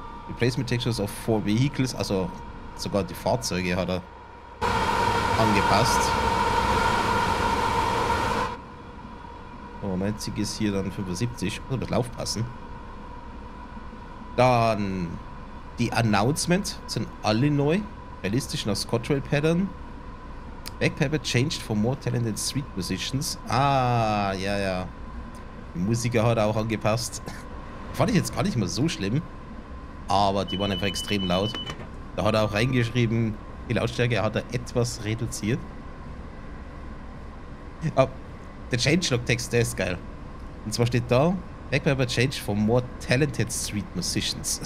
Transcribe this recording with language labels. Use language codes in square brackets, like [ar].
[en] Replacement Textures of 4 Vehicles, [de] also sogar die Fahrzeuge hat er angepasst. Oh, 90 ist hier dann 75. Muss aber aufpassen. Dann die Announcements sind alle neu. Realistisch nach Scottrail Pattern. [en] Backpacker changed for more talented street positions. [de] Ah, ja, ja. Die Musiker hat auch angepasst. Fand ich jetzt gar nicht mal so schlimm. Aber die waren einfach extrem laut. Da hat er auch reingeschrieben, die Lautstärke hat er etwas reduziert. Oh, der Changelog-Text, der ist geil. Und zwar steht da, [en] Backpacker changed for more talented street musicians.